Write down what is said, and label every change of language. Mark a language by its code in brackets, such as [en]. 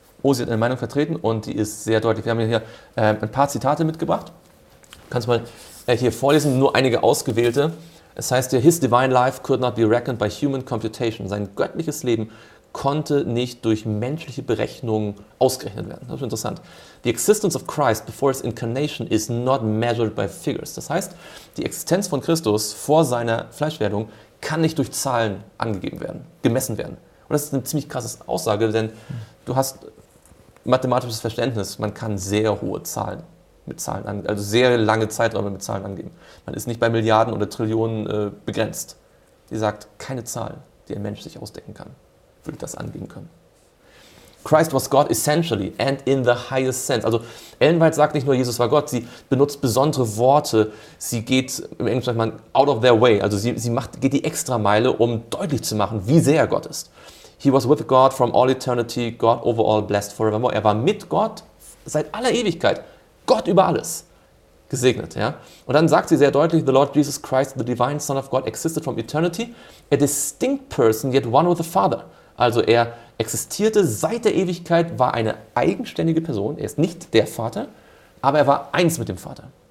[de] Oh, sie hat eine Meinung vertreten und die ist sehr deutlich. Wir haben hier ein paar Zitate mitgebracht. Kannst du mal hier vorlesen, nur einige ausgewählte. Es heißt ja, [en] his divine life could not be reckoned by human computation. [de] Sein göttliches Leben konnte nicht durch menschliche Berechnungen ausgerechnet werden. Das ist interessant. [en] The existence of Christ before his incarnation is not measured by figures. [de] Das heißt, die Existenz von Christus vor seiner Fleischwerdung kann nicht durch Zahlen angegeben werden, gemessen werden. Und das ist eine ziemlich krasse Aussage, denn du hast mathematisches Verständnis. Man kann sehr hohe Zahlen mit Zahlen angeben, also sehr lange Zeiträume mit Zahlen angeben. Man ist nicht bei Milliarden oder Trillionen begrenzt. Die sagt, keine Zahl, die ein Mensch sich ausdenken kann, würde das angeben können. [en] Christ was God essentially and in the highest sense. [de] Also Ellen White sagt nicht nur, Jesus war Gott, sie benutzt besondere Worte. Sie geht im Englischen sagt man [en] out of their way. [de] Also sie geht die Extrameile, um deutlich zu machen, wie sehr Gott ist. [en] He was with God from all eternity, God over all blessed forevermore. [de] Er war mit Gott seit aller Ewigkeit. Gott über alles gesegnet, ja. Und dann sagt sie sehr deutlich, [en] the Lord Jesus Christ, the divine Son of God, existed from eternity, a distinct person, yet one with the Father. [de] Also er existierte seit der Ewigkeit, war eine eigenständige Person, er ist nicht der Vater, aber er war eins mit dem Vater.